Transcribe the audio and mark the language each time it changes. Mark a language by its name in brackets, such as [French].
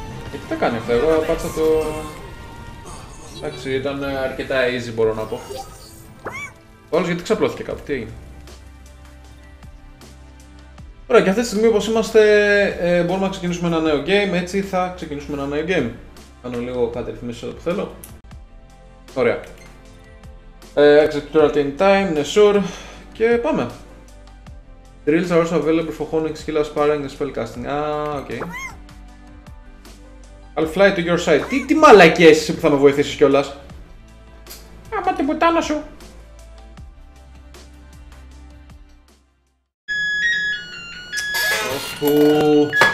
[Greek] Τι θα κάνει αυτό, εγώ πάτσα το... Εντάξει, ήταν αρκετά easy μπορώ να πω. Όλος γιατί ξαπλώθηκε κάπου, τι έγινε. Ωραία, και αυτή τη στιγμή όπως είμαστε μπορούμε να ξεκινήσουμε ένα νέο game. Έτσι θα ξεκινήσουμε ένα νέο game. Κάνω λίγο κάτι ρυθμίσεις εδώ που θέλω. Ωραία. [English] Accept in time, ναι, sure. [Greek] Και πάμε. [English] Drills are also available for honing skills, sparring and spellcasting. Okay. I'll fly to your side. [Greek] Τι μαλακές εσύ που θα με βοηθήσεις κιόλας. Άμα την πουτάνα σου. Ωφου.